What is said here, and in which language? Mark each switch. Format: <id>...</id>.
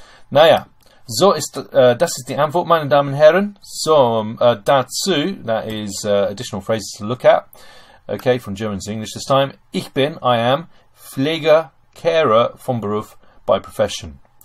<de>Naja, so ist das ist die Antwort, meine Damen und Herren. So, dazu,</de> <en>that is additional phrases to look at. Okay, from German to English this time.</en> <de>Ich bin,</de> <en>I am,</en> <de>Pfleger, Carer von Beruf,</de> <en>by profession.</en>